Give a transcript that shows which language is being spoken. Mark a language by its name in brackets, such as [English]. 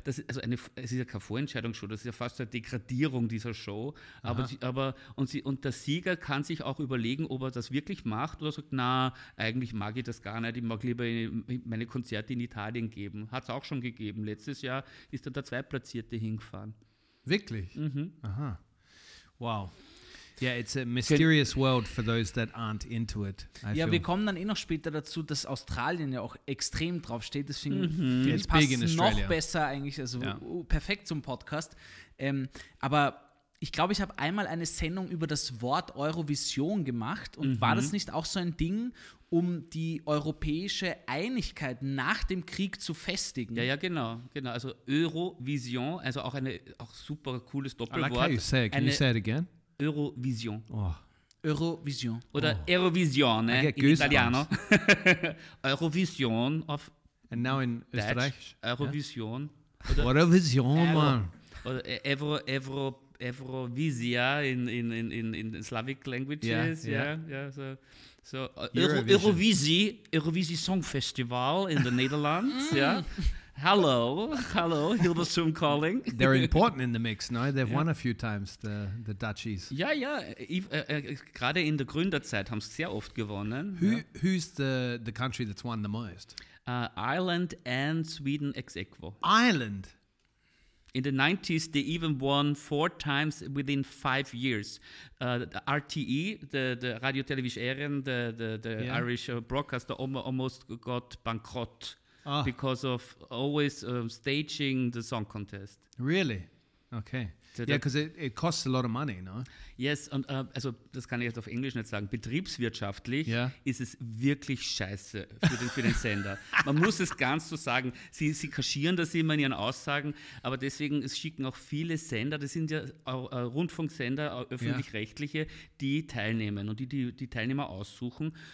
[German] Das ist, also eine, es ist ja keine Vorentscheidungsshow, das ist ja fast eine Degradierung dieser Show. Aber der Sieger kann sich auch überlegen, ob er das wirklich macht oder sagt, na, eigentlich mag ich das gar nicht, ich mag lieber meine Konzerte in Italien geben. Hat es auch schon gegeben. Letztes Jahr ist dann der Zweitplatzierte hingefahren. Wirklich? Mhm. Aha. Wow. [English] Yeah, it's a mysterious world for those that aren't into it. [German] Wir kommen dann eh noch später dazu, dass Australien ja auch extrem drauf steht. Deswegen passt es noch besser eigentlich, also perfekt zum Podcast. Aber ich glaube, ich habe einmal eine Sendung über das Wort Eurovision gemacht. Und war das nicht auch so ein Ding, um die europäische Einigkeit nach dem Krieg zu festigen? Ja, ja, genau. Also Eurovision, also auch ein auch super cooles Doppelwort. Okay, [English] can you say it again? Eurovision. Oh. Eurovision. [German] Oder oh. Eurovision, ne? In Italiano. Eurovision auf. [English] And now in Österreich. Eurovision. Yeah. Oder Eurovision, man. Oder Eurovisia in Slavic languages. Yeah, yeah. So Eurovisi Song Festival in the Netherlands, ja. Yeah. Hello, Hilversum calling. They're important in the mix, no? They've won a few times, the Dutchies. [German] Gerade in der Gründerzeit haben sie sehr oft gewonnen. [English] Who's the country that's won the most? Ireland and Sweden ex aequo. Ireland? In the 90s, they even won 4 times within 5 years. The RTE, the Radio Television, the Irish broadcaster, almost got bankrott. Oh. Because of always staging the song contest. Really? Okay. So yeah, because it costs a lot of money, no? [German] Yes, und also das kann ich jetzt auf Englisch nicht sagen. Betriebswirtschaftlich ist es wirklich scheiße für den Sender. Man muss es ganz so sagen. Sie kaschieren das immer in ihren Aussagen, aber deswegen es schicken auch viele Sender, das sind ja Rundfunksender, öffentlich-rechtliche, die teilnehmen und die Teilnehmer aussuchen.